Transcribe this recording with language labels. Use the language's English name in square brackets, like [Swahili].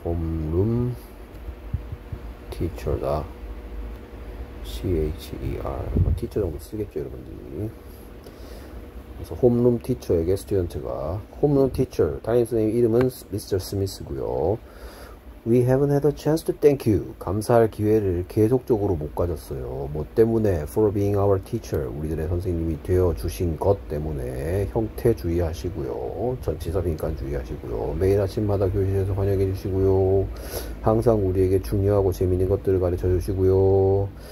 [Korean] 홈룸 티처다. CHER 뭐 티처 정도 쓰겠죠 여러분들이. 그래서 홈룸 티처에게 스튜던트가 홈룸 티처 담임 선생님 이름은 미스터 스미스고요. [English] We haven't had a chance to thank you. [Korean] 감사할 기회를 계속적으로 못 가졌어요. 뭐 때문에? [English] For being our teacher. [Korean] 우리들의 선생님이 되어 주신 것 때문에 형태 주의하시고요. 전치사니까 주의하시고요. 매일 아침마다 교실에서 환영해 주시고요. 항상 우리에게 중요하고 재미있는 것들을 가르쳐 주시고요.